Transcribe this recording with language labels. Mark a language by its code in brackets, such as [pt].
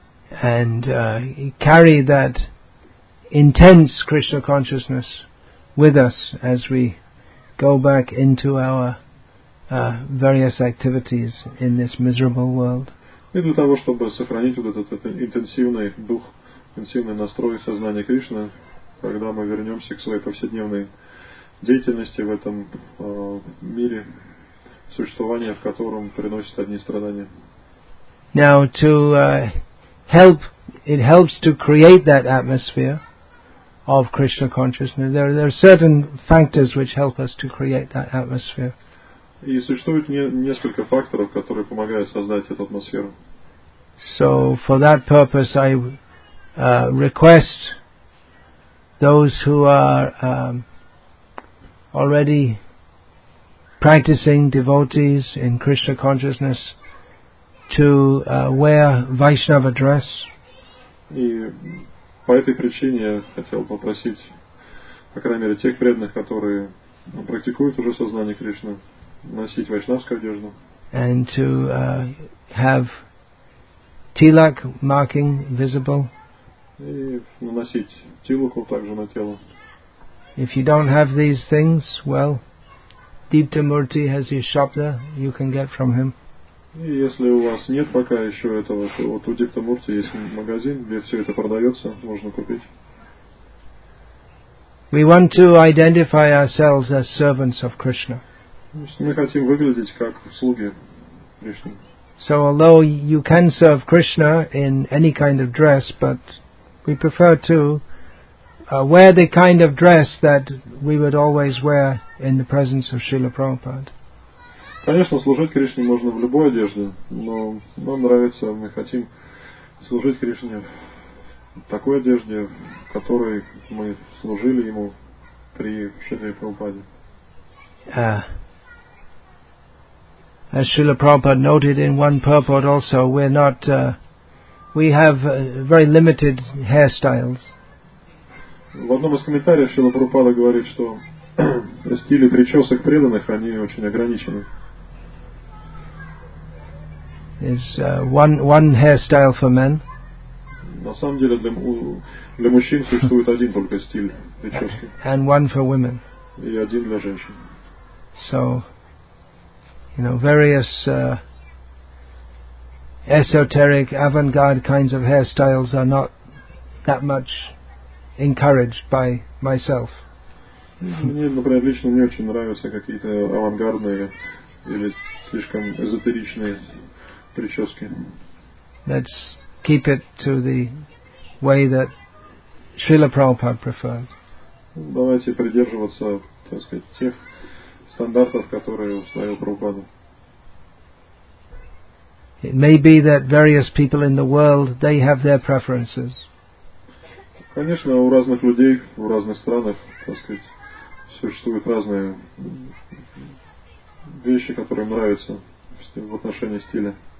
[en] and carry that intense Krishna consciousness with us as we go back into our various activities in this miserable world. [ru] И для того, чтобы сохранить вот этот интенсивный дух, интенсивный настрой сознания Кришны, когда мы вернемся к своей повседневной деятельности в этом мире, существование в котором приносит одни страдания. [en] Now to help, it helps to create that atmosphere of Krishna consciousness. There are certain factors which help us to create that atmosphere. [ru] И существует несколько факторов, которые помогают создать эту атмосферу. [en] So for that purpose, I request those who are already practicing devotees in Krishna consciousness to wear Vaishnava dress. [ru] И по этой причине я хотел попросить, по крайней мере, тех преданных, которые практикуют уже сознание Кришны, носить вайшнавскую одежду. [en] And to have tilak marking visible. [ru] И наносить тилаку также на тело. [en] If you don't have these things, well, Deepta Murti has his shop there, you can get from him. [ru] И если у вас нет пока еще этого, то вот у Deepta Murti есть магазин, где все это продается, можно купить. [en] We want to identify ourselves as servants of Krishna. [ru] Мы хотим выглядеть как слуги Кришны. [en] So although you can serve Krishna in any kind of dress, but we prefer to wear the kind of dress that we would always wear in the presence of Srila Prabhupada. [ru] Конечно, служить Кришне можно в любой одежде, но нам нравится, мы хотим служить Кришне в такой одежде, в которой мы служили ему при Шиле Прабхупаде. [en] As Srila Prabhupada noted in one purport also, we're not, we have very limited hairstyles. [ru] В одном из комментариев Шрила Прабхупада говорит, что стили причесок преданных, они очень ограничены. [en] Is one hairstyle for men. [ru] На самом деле для мужчин существует один только стиль прически. [en] And one for women. [ru] И один для женщин. [en] So, you know, various esoteric avant-garde kinds of hairstyles are not that much encouraged by myself. [ru] Мне, например, лично не очень нравятся какие-то авангардные или слишком эзотеричные прически. [en] Let's keep it to the way that Srila Prabhupada preferred. [ru] Давайте придерживаться, так сказать, тех стандартов, которые установил Прабхупада. [en] It may be that various people in the world, they have their preferences. [ru] Конечно, у разных людей, в разных странах, так сказать, существуют разные вещи, которые нравятся в отношении стиля.